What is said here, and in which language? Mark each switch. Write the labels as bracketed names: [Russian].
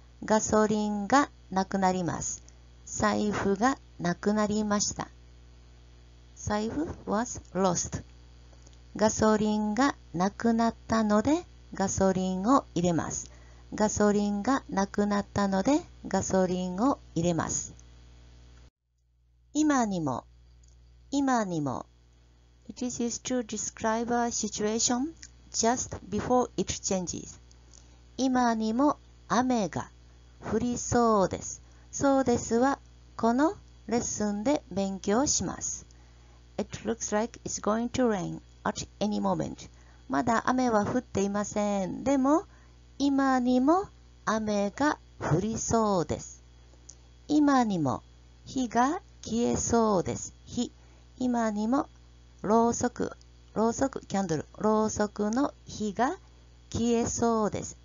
[Japanese] ガソリンがなくなります。財布がなくなりました。 [English] 財布 was lost。 [Japanese] ガソリンがなくなったのでガソリンを入れます。ガソリンがなくなったのでガソリンを入れます。今にも、今にも。 [English] It is used to describe a situation just before it changes。 [Japanese] 今にも雨が降りそうです。そうですはこのレッスンで勉強します。 [English] It looks like it's going to rain at any moment. [Japanese] まだ雨は降っていません。でも、今にも雨が降りそうです。今にも火が消えそうです。火。今にもろうそく、ろうそく、キャンドル、ろうそくの火が消えそうです。